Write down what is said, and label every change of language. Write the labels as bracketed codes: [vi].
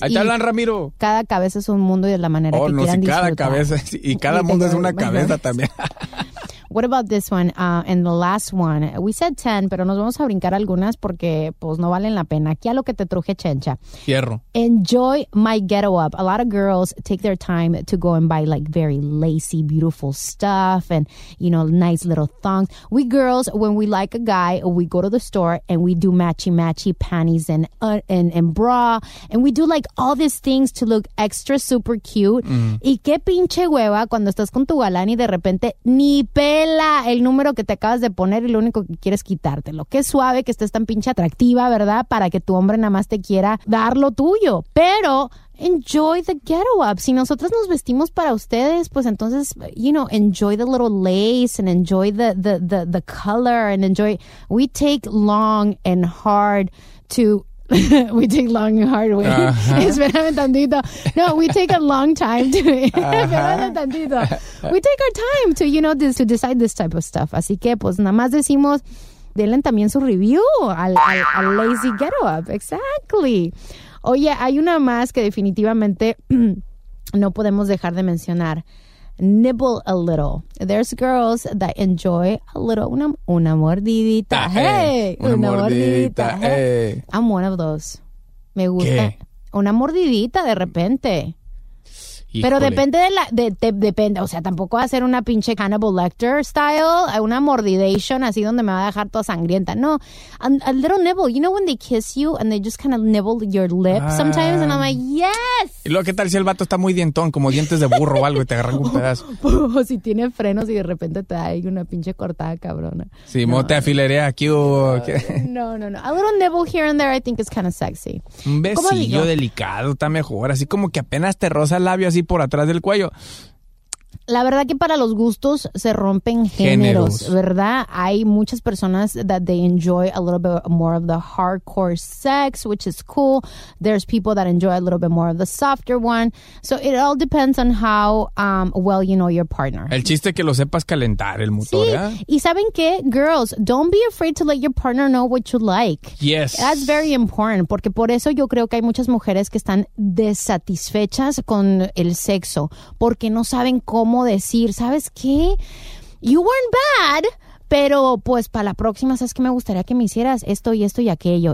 [es] Ahí te hablan, Ramiro. Cada cabeza es un mundo y de la manera que quieran disfrutar. Cada cabeza, y cada mundo es una cabeza también. [en] What about this one? And the last one. We said 10, [es] pero nos vamos a brincar algunas porque pues no valen la pena. Aquí a lo que te truje, chencha. Hierro. [en] Enjoy my ghetto up. A lot of girls take their time to go and buy like very lacy, beautiful stuff and, you know, nice little thongs. We girls, when we like a guy, we go to the store and we do matchy-matchy panties and bra. And we do like all these things to look extra super cute. [es] Y qué pinche hueva cuando estás con tu galán y de repente ni pe el número que te acabas de poner y lo único que quieres quitártelo. Qué suave que estés tan pinche atractiva, ¿verdad? Para que tu hombre nada más te quiera dar lo tuyo. Pero [en] enjoy the ghetto up. [es] Si nosotros nos vestimos para ustedes, pues entonces, [en] you know, enjoy the little lace and enjoy the color and enjoy. We take long and hard to. We take long and hard way. [es] Espérame tantito. [en] No, we take a long time to. [es] Espérame tantito. [en] We take our time to, you know, to decide this type of stuff. [es] Así que, pues, nada más decimos, denle también su review al lazy ghetto up. [en] Exactly. [es] Oye, hay una más que definitivamente no podemos dejar de mencionar. [en] Nibble a little. There's girls that enjoy a little [es] una mordidita. Una mordidita. [en] I'm one of those. [es] Me gusta. ¿Qué? Una mordidita de repente. Híjole. Pero depende de la depende, o sea, tampoco va a ser una pinche Hannibal Lecter style, una mordidation así donde me va a dejar toda sangrienta. [en] No. A little nibble. You know when they kiss you and they just kind of nibble your lip sometimes and I'm like, "Yes." [es] Y luego, ¿qué tal si el vato está muy dientón, como dientes de burro o algo y te agarran un pedazo? O si tiene frenos y de repente te da ahí una pinche cortada cabrona. Sí, no, te afilerea aquí. No. [en] A little nibble here and there I think is kind of sexy. [es] Un besillo delicado está mejor, así como que apenas te roza el labio así por atrás del cuello. La verdad que para los gustos se rompen géneros, ¿verdad? Hay muchas personas [en] that they enjoy a little bit more of the hardcore sex, which is cool. There's people that enjoy a little bit more of the softer one. So it all depends on how well you know your partner. [es] El chiste es que lo sepas calentar el motor, ¿ya? Sí. ¿Eh? Y ¿saben qué? [en] Girls, don't be afraid to let your partner know what you like. Yes. That's very important, [es] porque por eso yo creo que hay muchas mujeres que están desatisfechas con el sexo, porque no saben cómo decir, ¿sabes qué? [en] You weren't bad, [es] pero pues para la próxima, ¿sabes qué? Me gustaría que me hicieras esto y esto y aquello.